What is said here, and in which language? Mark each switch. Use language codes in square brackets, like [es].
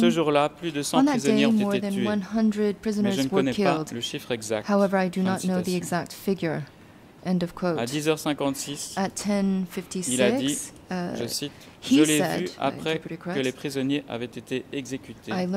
[fr] Ce jour-là, plus de 100 prisonniers ont été tués, mais je ne connais [en] killed. [fr] Pas le chiffre exact. [en] However, I do not know the exact figure. End of quote. [fr] À 10h56, [en] At 10:56, [fr] il a dit, je cite, je l'ai vu après que les prisonniers avaient été exécutés.